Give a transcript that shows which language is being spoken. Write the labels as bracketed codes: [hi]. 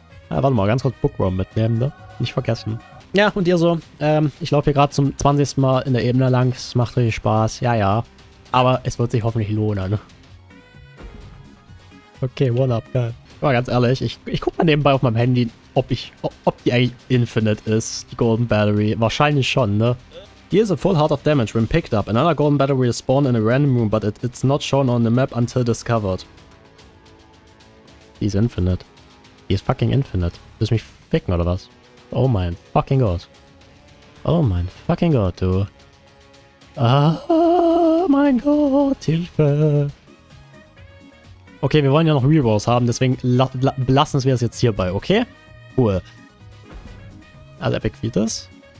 [de] Ja, warte mal, ganz kurz Bookworm mitnehmen, ne? Nicht vergessen. Ja, und ihr so, ich laufe hier gerade zum 20. Mal in der Ebene lang. Es macht richtig Spaß. Ja. Aber es wird sich hoffentlich lohnen. Okay, what up, geil. Mal ganz ehrlich, ich guck mal nebenbei auf meinem Handy, ob die eigentlich infinite ist, die Golden Battery. Wahrscheinlich schon, ne? [en] Here's a full heart of damage when picked up. Another Golden Battery is spawned in a random room, but it's not shown on the map until discovered. [de] Die ist infinite. Die ist fucking infinite. Willst du mich ficken, oder was? Oh mein fucking Gott. Oh mein fucking Gott, du. Ah, mein Gott, Hilfe. Okay, wir wollen ja noch Rerolls haben, deswegen lassen wir es jetzt hierbei, okay? Cool. Also, Epic Vitas.